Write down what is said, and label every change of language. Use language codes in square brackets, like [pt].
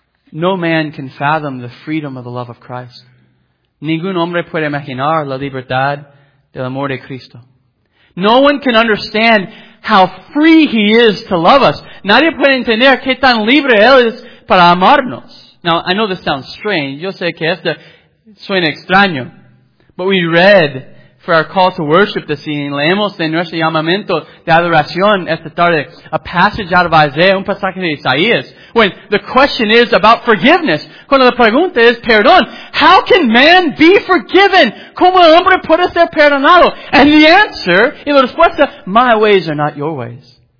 [en] No man can fathom the freedom of the love of Christ. [es] Ningún hombre puede imaginar la libertad del amor de Cristo. [en] No one can understand how free He is to love us. [es] Nadie puede entender qué tan libre Él es para amarnos. [en] Now, I know this sounds strange. [es] Yo sé que esto suena extraño. [en] But we read for our call to worship this evening. [es] Leemos en nuestro llamamiento de adoración esta tarde [en] a passage out of Isaiah, [es] un pasaje de Isaías. [en] When the question is about forgiveness. [es] Cuando la pregunta es perdón. How can man be forgiven? ¿Cómo el hombre puede ser perdonado? [en] And the answer, [es] y la respuesta, [en] my ways are not your ways.